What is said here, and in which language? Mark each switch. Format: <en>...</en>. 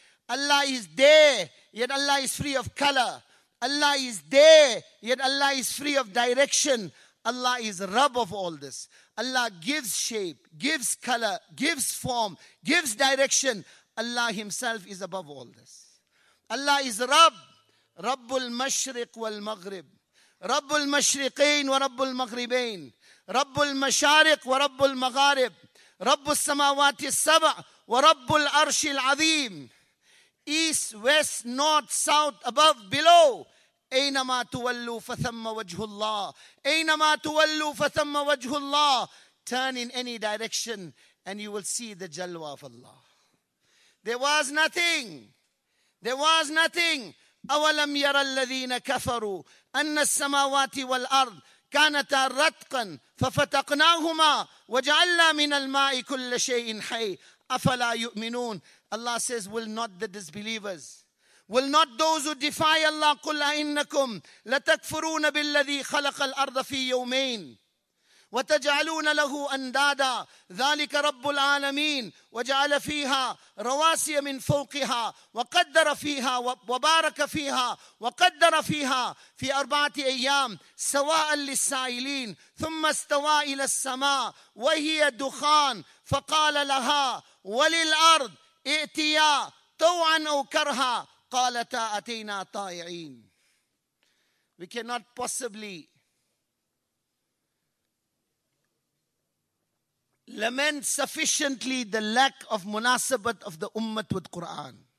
<en>Allah is there, yet Allah is free of color. Allah is there, yet Allah is free of direction. Allah is Rabb of all this. Allah gives shape, gives color, gives form, gives direction. Allah himself is above all this. Allah is Rabb.</en> <ar>رب المشرق والمغرب رب المشرقين ورب المغربين رب المشارق ورب المغارب رب السماوات السبع ورب الأرش العظيم.</ar> <en>East, west, north, south, above, below.</en> <ar>أينما تولوا فثم وجه الله أينما تولوا فثم وجه الله.</ar> <en>Turn in any direction and you will see the jalwa of Allah. There was nothing. There was nothing.</en> <ar>أَوَلَمْ يَرَى الَّذِينَ كَفَرُوا أَنَّ السَّمَاوَاتِ وَالْأَرْضِ كَانَتَا رَتْقًا فَفَتَقْنَاهُمَا وَجَعَلْنَا مِنَ الْمَاءِ كُلَّ شَيْءٍ حَيٍّ أَفَلَا يُؤْمِنُونَ.</ar> <en>Allah says, will not the disbelievers, will not those who defy Allah,</en> <ar>قُلْ أَإِنَّكُمْ لَتَكْفُرُونَ بِالَّذِي خَلَقَ الْأَرْضَ فِي يَوْمَيْنِ. وتجعلون له أندادا ذلك رب العالمين وجعل فيها رواسي من فوقها وقدر فيها وبارك فيها وقدر فيها في أربعة أيام سواء للسائلين ثم استوى إلى السماء وهي دخان فقال لها وللأرض ائتيا طوعا أو كرها قالتا أتينا طائعين.</ar> <en>We cannot possibly lament sufficiently the lack of munasabat of the ummah with Quran.</en>